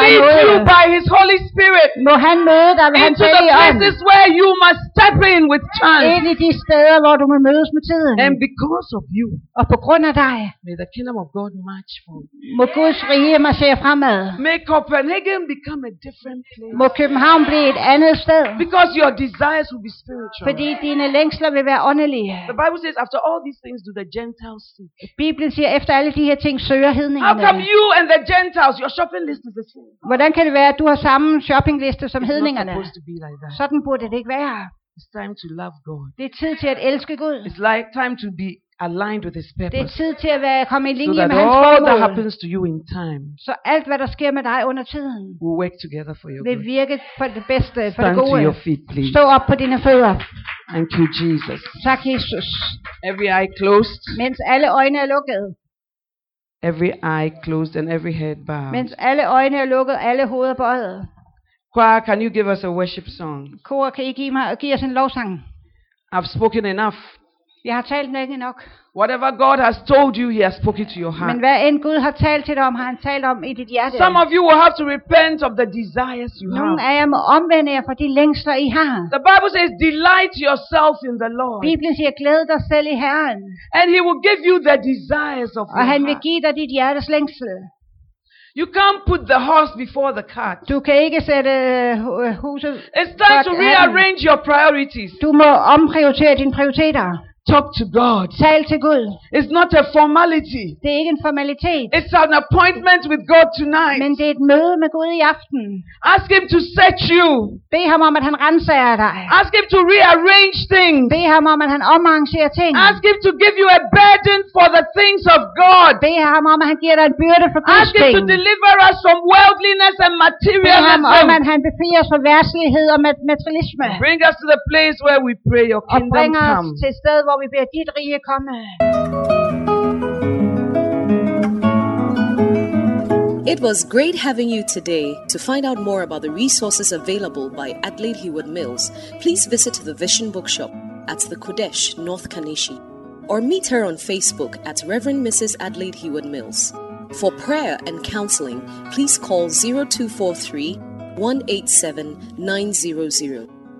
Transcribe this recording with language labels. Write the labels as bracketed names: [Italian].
[English] May he lead you by his Holy Spirit. [Danish] Må han møde dig ved hans hellige ånd. [English] Into the places where you must step in with chance. [Danish] Ind i de steder hvor du må mødes med tiden. [English] And because of you. [Danish] Og på grund af dig. [English] May the kingdom of God march forward. [Danish] Må Guds rige marchere fremad. [English] May Copenhagen become a different place. [Danish] Må København blive et andet sted. [English] Because your desires will be spiritual. [Danish] Fordi dine længsler vil være åndelige. [English] The Bible says, after all these things do the Gentiles seek. [Danish] Bibelen siger efter alle de her ting søger hedningerne. [English] How come you and the Gentiles, your shopping list is the same? [Danish] Hvordan kan det være at du har samme shoppingliste som hedningerne? [English] It's not supposed to be like that. [Danish] Sådan burde det ikke være. [English] It's time to love God. [Danish] Det er tid til at elske Gud. [English] It's like time to be aligned with his purpose. [Danish] Det er tid til at være komme i linje [English] so [Danish] med hans formål. [English] So that all happens to you in time. [Danish] Så alt hvad der sker med dig under tiden. [English] We'll work together for your good. [Danish] Vil virke for det bedste for [English] stand [Danish] det gode. [English] Stand to your feet, please. [Danish] Stå op på dine fødder. [English] Thank you, Jesus. [Danish] Tak, Jesus. [English] Every eye closed. [Danish] Mens alle øjne er lukket. [English] Every eye closed and every head bowed. [Danish] Mens alle øjne er lukket, alle hoveder bøjet. [English] Choir, can you give us a worship song? [Danish] Kor, kan I give mig og give os en lovsang? [English] I've spoken enough. [Danish] Jeg har talt længe nok. [English] Whatever God has told you, he has spoken to your heart. [Danish] Men hvad end Gud har talt til dig om, har han talt om i dit hjerte. [English] Some of you will have to repent of the desires you [Danish] Nogle [English] have. [Danish] Nogle af jer må omvende jer for de længsler I har. [English] The Bible says, delight yourself in the Lord. [Danish] Bibelen siger, glæd dig selv i Herren. [English] And he will give you the desires of your heart. [Danish] Og han vil give dig dit hjertes længsel. [English] You can't put the horse before the cart. [Danish] Du kan ikke sætte huset. [English] It's time to rearrange your priorities. [Danish] Du må omprioritere dine prioriteter. [English] Talk to God. [Danish] Tal til Gud. [English] It's not a formality. [Danish] Det er ikke en formalitet. [English] It's an appointment with God tonight. [Danish] Men det er et møde med Gud I aften. [English] Ask him to set you. [Danish] Bed ham om at han renser dig. [English] Ask him to rearrange things. [Danish] Bed ham om at han omarrangerer ting. [English] Ask him to give you a burden for the things of God. [Danish] Bed ham om at han giver dig en byrde for Guds [English] Ask him to deliver us from worldliness and materialism. [Danish] Bed ham om at han befrier os fra verslighed og materialisme. [English] Bring us to the place where we pray your kingdom come. [Danish] Og bring os til stedet hvor vi beder dit rige komme. [English] It was great having you today. To find out more about the resources available by Adelaide Heward Mills, please visit the Vision Bookshop at the Kodesh, North Kaneshi, or meet her on Facebook at Reverend Mrs. Adelaide Heward Mills. For prayer and counseling, please call 0243-187-900.